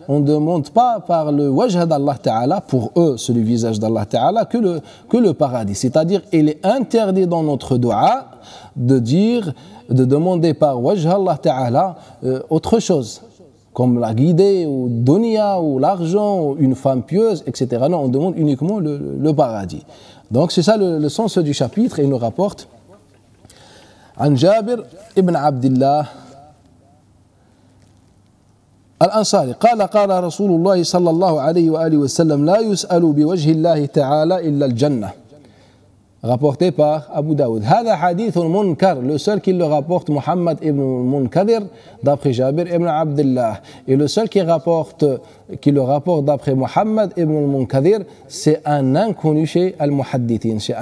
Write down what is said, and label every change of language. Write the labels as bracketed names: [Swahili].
[French] On ne demande pas par le wajh d'Allah Ta'ala, pour eux, celui visage d'Allah Ta'ala, que le paradis. C'est-à-dire, il est interdit dans notre dua de demander par wajh Allah Ta'ala autre chose, comme la guidée, ou dunya, ou l'argent, ou une femme pieuse, etc. Non, on demande uniquement le paradis. Donc c'est ça le sens du chapitre. Il nous rapporte An Jabir ibn Abdillah [Arabic] الأنصاري قال رسول الله صلى الله عليه وآله وسلم لا يسأل بوجه الله تعالى إلا الجنة. [French] رابورتي بار [Arabic] أبو داود. هذا حديث منكر. [French] Le seul qui le rapporte Muhammad ibn Munkadir d'après Jabir ibn Abdullah. Et le seul qui le rapporte d'après Muhammad ibn Munkadir, c'est un inconnu chez Al-Muhaddithin.